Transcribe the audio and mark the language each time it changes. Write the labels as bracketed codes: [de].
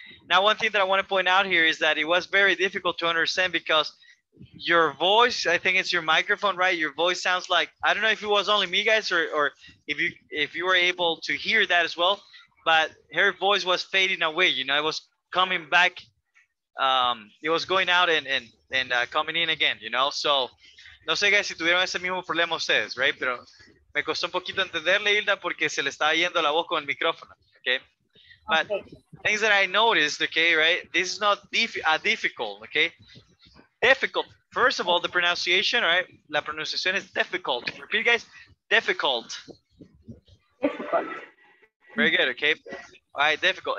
[en] Now, one thing that I want to point out here is that it was very difficult to understand because your voice, I think it's your microphone, right? Your voice sounds like, I don't know if it was only me, guys, or if you were able to hear that as well, but her voice was fading away, you know, it was coming back, it was going out and coming in again, you know? [es] So, no sé, guys, si tuvieron ese mismo problema ustedes, right? Pero me costó un poquito entenderle, Hilda, porque se le estaba yendo la voz con el micrófono, okay? [en] But okay. Things that I noticed, okay, right? This is not difficult, okay? Difficult, First of all, the pronunciation, right? La pronunciación is difficult. Repeat, guys. Difficult. Difficult. Very good, okay. All right, difficult.